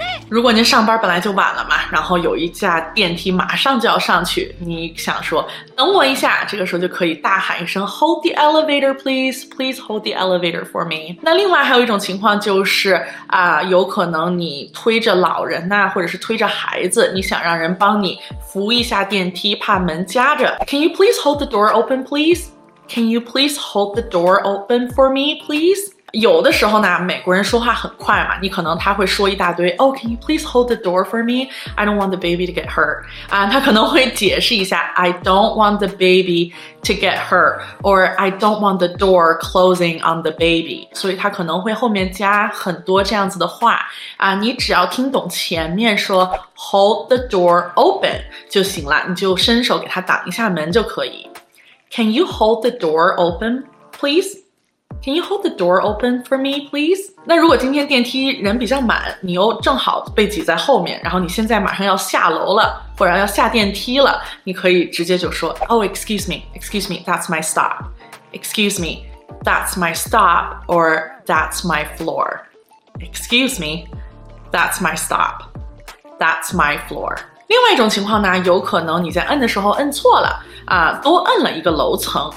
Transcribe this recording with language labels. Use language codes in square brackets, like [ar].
[zh] 如果您上班本来就晚了嘛，然后有一架电梯马上就要上去，你想说等我一下，这个时候就可以大喊一声 [en] Hold the elevator please， Please hold the elevator for me。 [zh] 那另外还有一种情况就是有可能你推着老人啊，或者是推着孩子，你想让人帮你扶一下电梯，怕门夹着。 [en] Can you please hold the door open please? Can you please hold the door open for me please? [zh] 有的时候呢，美国人说话很快嘛，你可能他会说一大堆 [en] Oh, can you please hold the door for me? I don't want the baby to get hurt. [zh] 他可能会解释一下 [en] I don't want the baby to get hurt. Or I don't want the door closing on the baby. [zh] 所以他可能会后面加很多这样子的话。你只要听懂前面说 Hold the door open 就行了，你就伸手给他挡一下门就可以。 [en] Can you hold the door open, please? Can you hold the door open for me, please? [zh] 那如果今天电梯人比较满，你又正好被挤在后面，然后你现在马上要下楼了，或者要下电梯了，你可以直接就说 [en] Oh, excuse me, that's my stop. Excuse me, that's my stop, or that's my floor. Excuse me, that's my stop, that's my floor. [zh] 另外一种情况呢，有可能你在摁的时候摁错了多摁了一个楼层。